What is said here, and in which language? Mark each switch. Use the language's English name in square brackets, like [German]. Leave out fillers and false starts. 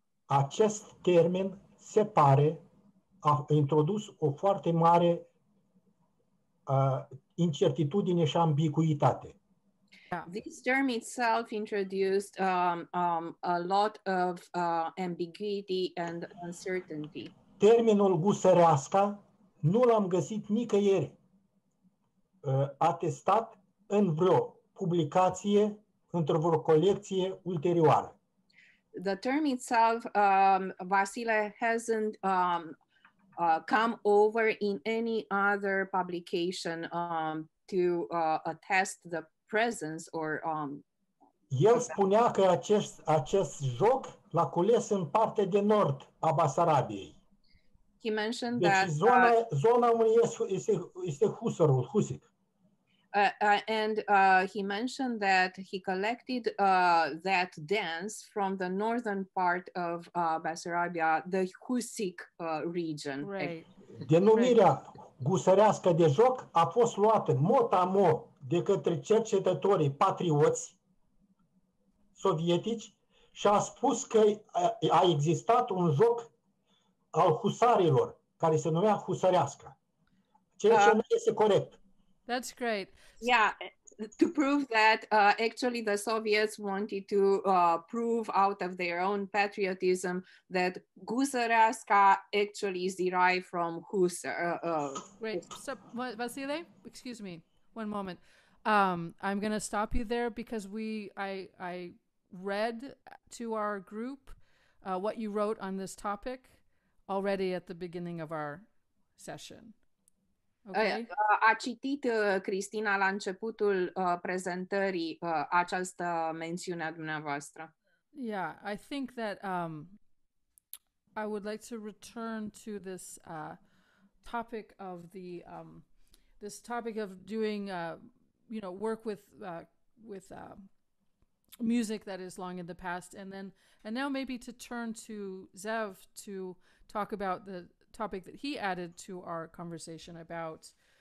[Romanian] Acest termen se pare a introdus o foarte mare incertitudine și ambiguitate. [English] Yeah. This term itself introduced a lot of ambiguity and uncertainty. [Romanian] Terminul gusărească nu l-am găsit nicăieri atestat în vreo publicație, într-o vreo colecție ulterioară. [English] The term itself, Vasile, hasn't come over in any other publication to attest the presence or [Romanian] El spunea că acest joc l-a cules în partea de nord a Basarabiei. [English] He mentioned [Romanian] deci [English] that [Romanian] zona unde este Husarul, Husic. [English] He mentioned that he collected that dance from the northern part of Basarabia, the Husic region. Right. [Romanian] Denumirea gusărească de joc a fost luată mot-a-mot de către cercetătorii patrioți sovietici și a spus că a existat un joc al husarilor care se numea husărească. Ceea ce nu este corect. [English] That's great. Yeah, to prove that actually the Soviets wanted to prove out of their own patriotism that gusărească actually is derived from husar. Great. So, Vasile, excuse me, one moment. I'm going to stop you there because I read to our group what you wrote on this topic already at the beginning of our session. Okay. [Romanian] A citit Cristina la începutul prezentării această mențiune a dumneavoastră. [English] Yeah, I think that I would like to return to this topic of the this topic of doing you know, work with music that is long in the past, and now maybe to turn to Zev to talk about the topic that he added to our conversation about